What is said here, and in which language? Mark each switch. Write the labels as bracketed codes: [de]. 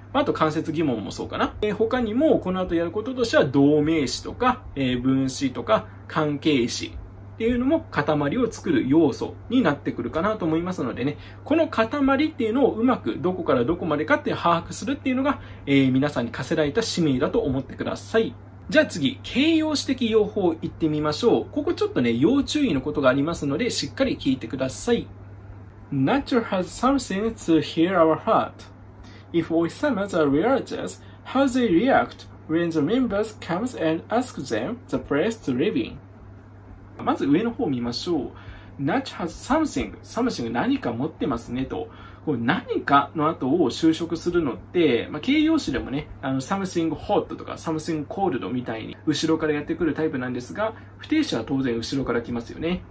[ja] あと間接疑問もそうかな。他にもこの後やることとしては同名詞とか、分詞とか関係詞っていうのも塊を作る要素になってくるかなと思いますのでね、この塊っていうのをうまくどこからどこまでかって把握するっていうのが、皆さんに課せられた使命だと思ってください。じゃあ次、形容詞的用法行ってみましょう。ここちょっとね要注意のことがありますので、しっかり聞いてください。 [en] Nature has something to heal our heart. If Oisama's are realtors, how they react when the members comes and ask them the place to live in? [ja] まず上の方を見ましょう。 [en] Nature has something、 [ja] something 何か持ってますねと、何かの後を修飾するのって、まあ、形容詞でもね、 [en] something hot [ja] とか [en] something cold [ja] みたいに後ろからやってくるタイプなんですが、不定詞は当然後ろから来ますよね。